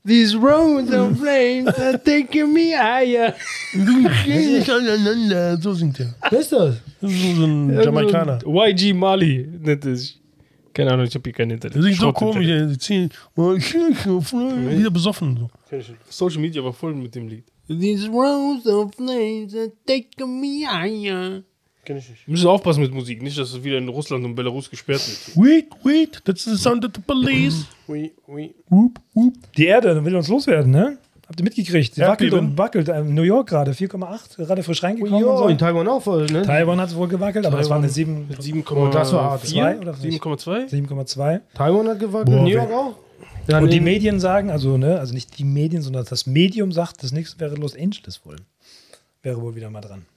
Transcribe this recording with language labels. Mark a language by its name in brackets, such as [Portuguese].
[English] These roads of flame are taking me higher. [German] Du gehst nicht aneinander. So singt er. Wer ist das? Das ist so ein Jamaikaner. YG Marley nennt er sich. Keine Ahnung, ich hab hier kein Internet. Das ist so komisch, ey. Die ziehen. Wieder besoffen. So. Social Media war voll mit dem Lied. [English] These roads of flames are taking me higher. [German] Kenn ich nicht. Müssen wir aufpassen mit Musik, nicht, dass es wieder in Russland und Belarus gesperrt wird. [English] Wait, wait, that's the sound of the police. [German] Whoop, whoop. Die Erde will uns loswerden, ne? Habt ihr mitgekriegt? Sie wackelt und wackelt. New York gerade, 4,8, gerade frisch reingekommen. Und so. In Taiwan auch voll, ne? Taiwan hat wohl gewackelt, Taiwan, aber das war eine 7,2. Taiwan hat gewackelt, boah, New York auch. Ja, und die Medien sagen, also, ne, also nicht die Medien, sondern das Medium sagt, das nächste wäre Los Angeles wohl. Wäre wohl wieder mal dran.